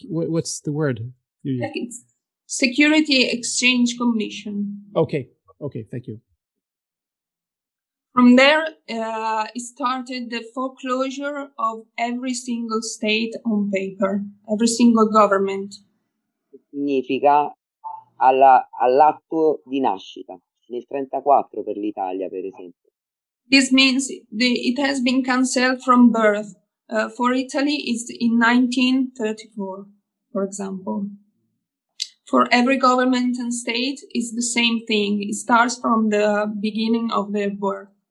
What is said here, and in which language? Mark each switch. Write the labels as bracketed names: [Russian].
[English] What's the word? Security Exchange Commission. Okay, thank you. From there, it started the foreclosure of every single state on paper, every single government. [Italian] Significa all'atto di nascita, nel 34 per l'Italia, per esempio. [English] This means it has been cancelled from birth. For Italy, it's in 1934, for example. For every government and state, it's the same thing. It starts from the beginning of their birth.